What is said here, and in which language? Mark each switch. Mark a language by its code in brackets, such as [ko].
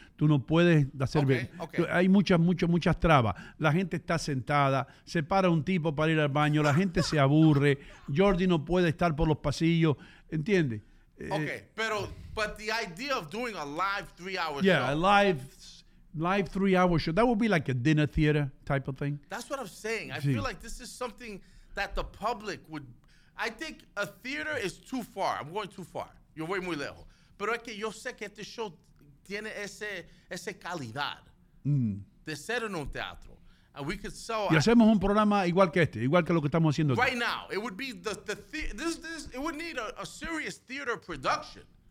[es] Tú no puedes hacer... [en] Okay. [es] Hay muchas trabas. La gente está sentada, se para un tipo para ir al baño, la gente se aburre, Jordi no puede estar por los pasillos, ¿entiendes? Pero la idea de hacer un [en] live 3-hour yeah, show... Yeah, a live 3-hour show. That would be like a dinner theater type of thing. That's what I'm saying. I feel like this is something that the public would... I think a theater is too far. I'm going too far. [es] Yo voy muy lejos. Pero es que yo sé que este show tiene ese calidad de ser en un teatro. [en] And we could sell... [es] Y hacemos un programa igual que este, igual que lo que estamos haciendo. [en] Right aquí. Now. It would be this it would need a serious theater production.